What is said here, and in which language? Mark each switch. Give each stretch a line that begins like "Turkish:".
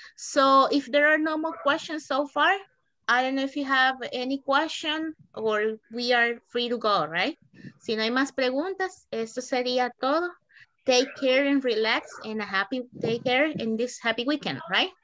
English: So, if there are no more questions so far, I don't know if you have any question or we are free to go, right?
Spanish: Si no hay más preguntas, esto sería todo.
English: Take care and relax and a happy take care in this happy weekend, right?